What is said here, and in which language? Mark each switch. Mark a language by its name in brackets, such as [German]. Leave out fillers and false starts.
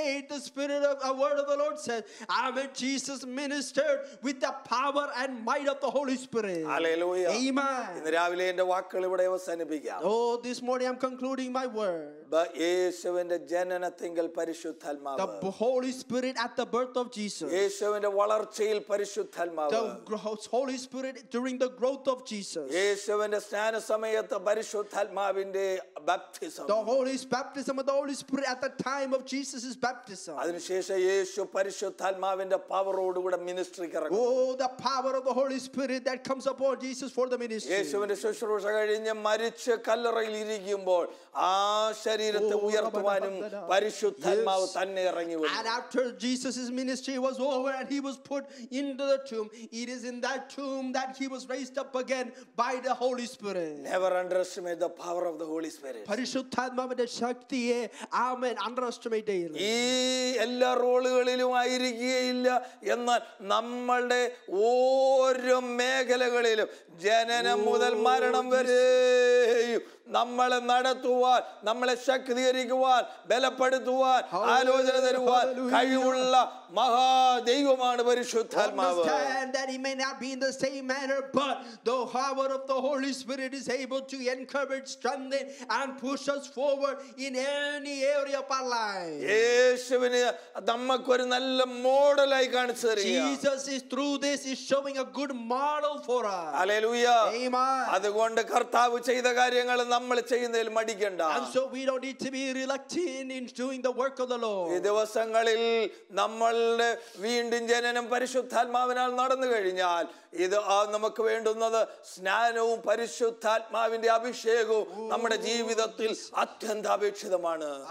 [English] The spirit of the word of the Lord says, Amen. Jesus ministered with the power and might of the Holy Spirit. Hallelujah. Amen. [Malayalam] ഇന്ന് രാവിലെ എൻ്റെ വാക്കുകൾ ഇവിടെ അവസാനിപ്പിക്കാം. [English] Oh, this morning I'm concluding my word. [Malayalam] യേശുവിന്റെ ജനനത്തിങ്കിൽ പരിശുദ്ധാത്മാവ്. [English] The Holy Spirit at the birth of Jesus. [Malayalam] യേശുവിന്റെ വളർച്ചയിൽ പരിശുദ്ധാത്മാവ്. [English] The Holy Spirit during the growth of Jesus. [Malayalam] യേശുവിന്റെ സ്നാന സമയത്തെ പരിശുദ്ധാത്മാവിന്റെ baptism. [English] The Holy baptism of the Holy Spirit at the time of Jesus's baptism. [Malayalam] അതിനുശേഷം യേശു പരിശുദ്ധാത്മാവിന്റെ പവറോടുകൂടെ മിനിസ്ട്രി കറങ്ങി. [English] Oh, the power of the Holy Spirit that comes upon Jesus for the ministry. [Malayalam] യേശുവിന്റെ ശുശ്രൂഷ കഴിഞ്ഞ് മരിച്ച് കല്ലറയിൽ ഇരിക്കുമ്പോൾ ശരീരത്തെ ഉയർത്തുവാനും പരിശുദ്ധാത്മാവ് തന്നെ ഇറങ്ങി വന്നു. [English] And after Jesus's ministry was over and he was put into the tomb, it is in that tomb that he was raised up again by the Holy Spirit. Never underestimate the power of the Holy Spirit. [Malayalam] പരിശുദ്ധാത്മാവിന്റെ ശക്തിയെ ആമേൻ underestimate ചെയ്യരുത്. ഈ എല്ലാ റോളുകളിലും ആയിരിക്കുകയില്ല, എന്നാൽ നമ്മളുടെ ഓരോ മേഖലകളിലും ജനനം മുതൽ മരണം വരെയും നമ്മളെ നടത്തുവാൻ, നമ്മളെ ശക്തീകരിക്കുവാൻ, ബലപ്പെടുത്തുവാൻ, ആലോചന തരുവാൻ കഴിവുള്ള മഹാദൈവമാണ് പരിശുദ്ധാത്മാവ്. [English] Understand that he may not be in the same manner, but the power of the Holy Spirit is able to encourage, strengthen, and push us forward in any area of our life. [Malayalam] യേശുവിനെ നമുക്ക് ഒരു നല്ല മോഡലായി കാണിച്ചു തരിക. [English] Jesus is through this is showing a good model for us. Hallelujah. Amen. [Malayalam] അതുകൊണ്ട് കർത്താവ് ചെയ്ത കാര്യങ്ങൾ നമ്മൾ ചെയ്യുന്നതിൽ മടിക്കണ്ട. [English] And so we don't need to be reluctant in doing the work of the Lord. [Malayalam] ഈ ദിവസങ്ങളിൽ നമ്മളുടെ വീണ്ടും ജനനം പരിശുദ്ധാത്മാവിനാൽ നടന്നു കഴിഞ്ഞാൽ ഇത് നമുക്ക് വേണ്ടുന്നത് സ്നാനവും പരിശുദ്ധാത്മാവിന്റെ അഭിഷേകവും നമ്മുടെ ജീവിതത്തിൽ അത്യന്താപേക്ഷിതമാണ്.